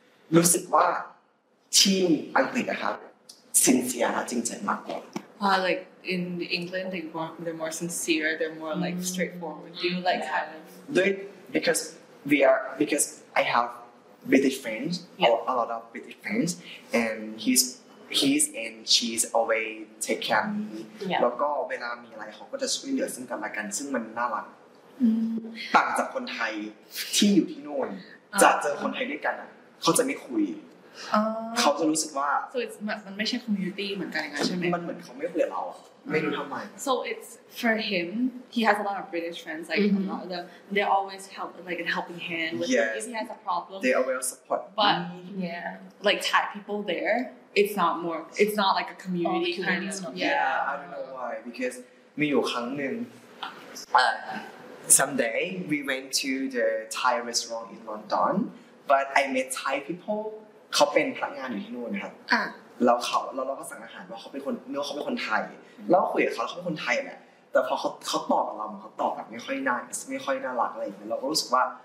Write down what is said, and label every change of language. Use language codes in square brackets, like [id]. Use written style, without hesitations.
[en] like in England, they're more sincere, they're more like straightforward. Do you like kind of? Because I have British friends, a lot of British friends, and he's and she's always take care of me. Yeah. [th] แล้วก็เวลามีอะไรเขาก็จะช่วยเหลือซึ่งกันและกันซึ่งมันน่ารักต่างจากคนไทยที่อยู่ที่โน่นจะเจอคนไทยด้วยกันเขาจะไม่คุยเขาจะรู้สึกว่า [en] so it's [th] มันไม่ใช่ community เหมือนกันใช่ไห ม มันเหมือนเขาไม่เบื่อเราไม่รู้ทำไม [en] so it's for him he has a lot of British friends like a lot of them they always help like a helping hand if he has a problem they always support but yeah like Thai people there it's not like a community kind of stuff yeah I don't know why because [th] มีอยู่ครั้งหนึ่ง [en] someday we went to the Thai restaurant in London but I met Thai people [th] เขาเป็นพนักงานอยู่ที่นู่นนะครับแล้วเราก็สั่งอาหารว่าเขาเป็นคนเนื้อเขาเป็นคนไทยแล้วคุยกับเขาเขาเป็นคนไทยแหละแต่พอเขาตอบกับเราเขาตอบแบบไม่ค่อยน่ารักอะไรอย่างเงี้ยเราก็รู้สึกว่า